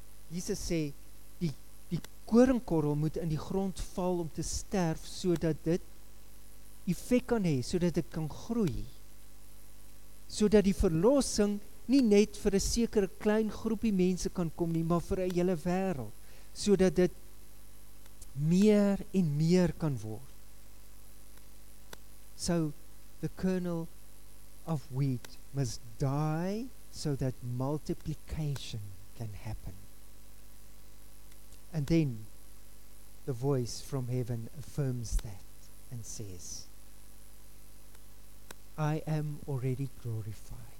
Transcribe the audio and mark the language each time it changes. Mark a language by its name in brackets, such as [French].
[Afrikaans] Jesus sê, die koringkorrel moet in die grond val om te sterf, sodat dit effek kan hê, sodat dit kan groei. Sodat die verlossing nie net vir 'n sekere klein groepie mense kan kom nie, maar vir 'n hele wêreld. Sodat dit meer en meer kan word. [English] So, the kernel of wheat must die so that multiplication can happen. And then the voice from heaven affirms that and says, I am already glorified.